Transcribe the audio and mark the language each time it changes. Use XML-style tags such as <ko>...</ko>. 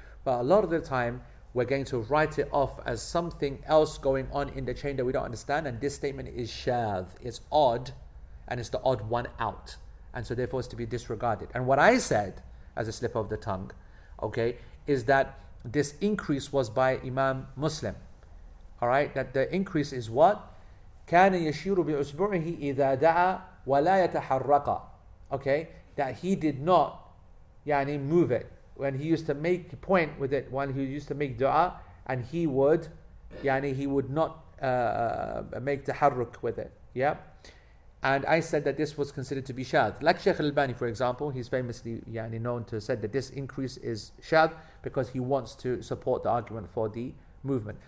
<en>But a lot of the time, we're going to write it off as something else going on in the chain that we don't understand. And this statement is shadh. It's odd, and it's the odd one out. And so therefore it's to be disregarded. And what I said, as a slip of the tongue, okay, is that this increase was by Imam Muslim. All right, that the increase is what?</en> <ar>كان يشير بأصبعه إذا دعا ولا يتحرك.</ar> <en>Okay, that he did not, يعني, move it. When he used to make point with it, when he used to make dua, and he would, yani, he would not make taharruk with it. Yeah. And I said that this was considered to be shadh. Like Sheikh Al-Albani, for example, he's famously yani known to have said that this increase is shadh because he wants to support the argument for the movement.</en>